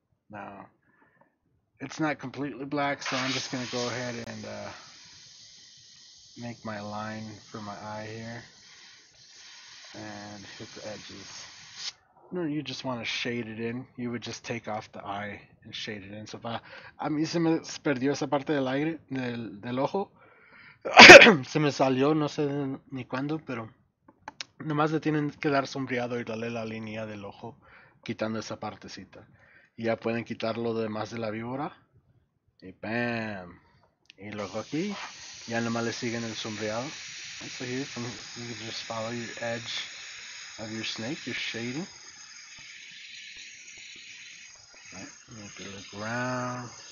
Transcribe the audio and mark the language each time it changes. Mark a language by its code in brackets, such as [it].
[en] Now, it's not completely black, so I'm just going to go ahead and make my line for my eye here and hit the edges. No, you just want to shade it in. You would just take off the eye and shade it in. [es] So, a mí se me perdió esa parte del aire, del ojo. Se me salió, no sé ni cuándo, pero nomás le tienen que dar sombreado y darle la línea del ojo, quitando esa partecita. Y ya pueden quitar lo demás de la víbora. Y bam. Y luego aquí, ya nomás le siguen el sombreado. [en] So here, you can just follow your edge of your snake, your shading. Make it look round.